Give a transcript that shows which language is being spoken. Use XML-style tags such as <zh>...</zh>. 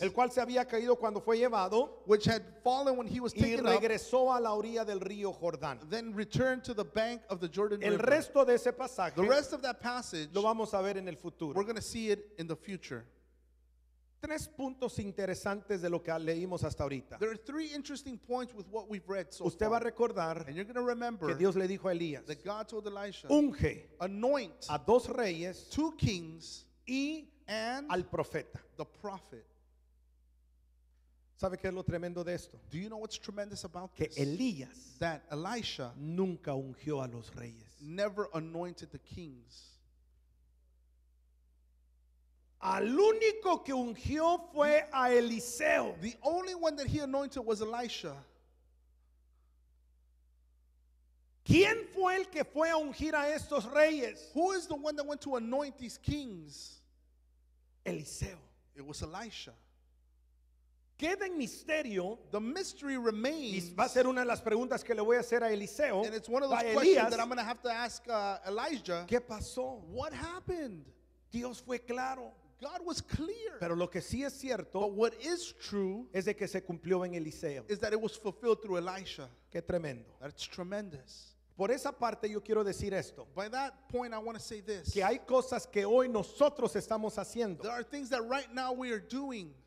<es>el cual se había caído cuando fue llevado,</es> <en>which had fallen when he was taken</en> <es>y regresó</es> <en>up,</en> <es>a la orilla del río Jordán.</es> <en>Then returned to the bank of the Jordan</en> <es>el</es> <en>River.</en> <es>El resto de ese pasaje,</es> <en>the rest of that passage,</en> <es>lo vamos a ver en el futuro.</es> <en>We're going to see it in the future.</en> <es>Tres puntos interesantes de lo que leímos hasta ahorita.</es> <en>There are three interesting points with what we've read so</en> <es>usted</es> <en>far.</en> <es>Va a recordar,</es> <en>and you're going to remember,</en> <es>que Dios le dijo a Elías,</es> <en>that God told Elisha,</en> <es>unge,</es> <en>anoint,</en> <es>a dos reyes,</es> <en>two kings,</en> <es>y</es> <en>and</en> <es>al profeta.</es> <en>The prophet.</en> <es>¿Sabe qué es lo tremendo de esto?</es> <en>Do you know what's tremendous about</en> <es>que</es> <en>this?</en> <es>Elías,</es> <en>that Elisha</en> <es>nunca ungió a los reyes.</es> <en>Never anointed the kings.</en> <es>Al único que ungió fue a Eliseo.</es> <en>The only one that he anointed was Elisha.</en> <es>¿Quién fue el que fue a ungir a estos reyes?</es> <en>Who is the one that went to anoint these kings?</en> <es>Eliseo.</es> <en>It was Elisha.</en> <es>Queda en misterio.</es> <en>The mystery remains.</en> <es>Va a ser una de las preguntas que le voy a hacer a Eliseo.</es> <en>And it's one of those questions that I'm going to have to ask Elijah.</en> <es>¿Qué pasó?</es> <en>What happened?</en> <es>Dios fue claro.</es> <en>God was clear.</en> <es>Pero lo que sí es cierto,</es> <en>but what is true</en> <es>es de que se cumplió en Eliseo.</es> <en>Is that it was fulfilled through Elisha.</en> <es>Qué tremendo.</es> <en>That's tremendous.</en> <es>Por esa parte yo quiero decir esto.</es> <en>By that point I want to say this.</en> <es>Que hay cosas que hoy nosotros estamos haciendo.</es> <en>There are things that right now we are doing.</en>